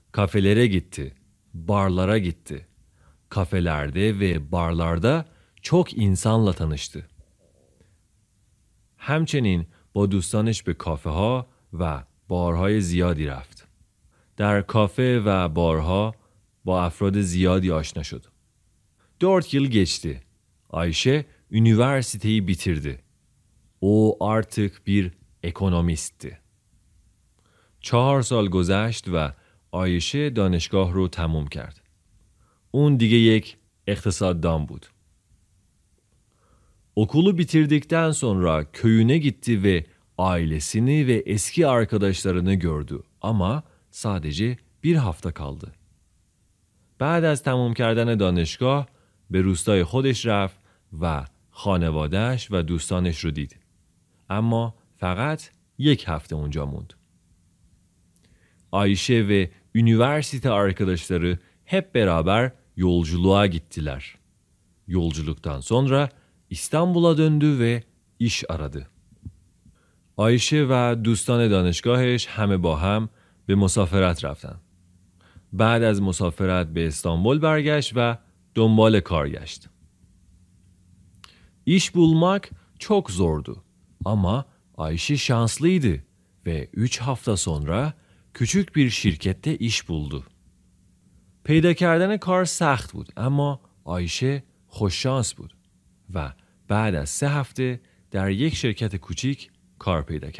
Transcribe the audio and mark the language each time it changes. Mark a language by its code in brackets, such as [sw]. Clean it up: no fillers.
[tr] kafelere gitti, barlara gitti. Kafelerde ve barlarda çok insanla tanıştı. [fa] Hemçenin با دوستانش به کافه ها و بارهای زیادی رفت. در کافه و بارها با افراد زیادی آشنا شد. [tr] 4 yıl geçti. Ayşe üniversiteyi bitirdi. O artık bir ekonomistti. [fa] 4 سال گذشت و آیشه دانشگاه رو تموم کرد. اون دیگه یک اقتصاددان بود. [tr] Okulu bitirdikten sonra köyüne gitti ve ailesini ve eski arkadaşlarını gördü ama sadece bir hafta kaldı. [fa] بعد از تموم کردن دانشگاه به روستای خودش رفت و خانوادهش و دوستانش رو دید. اما فقط یک هفته اونجا موند. [tr] آیشه و üniversite arkadaşları hep beraber yolculuğa gittiler. Yolculuktan sonra İstanbul'a döndü ve iş aradı. [fa] آیشه و دوستان دانشگاهش همه با هم به مسافرت رفتن. بعد از مسافرت به استانبول برگشت و دنبال کار گشت. [tr] İş bulmak çok zordu ama Ayşe şanslıydı ve 3 hafta sonra küçük bir şirkette iş buldu. [fa] پیدا کردن کار سخت بود اما آیشه خوششانس بود و بعد از 3 هفته در یک شرکت کوچیک کار پیدا کرد.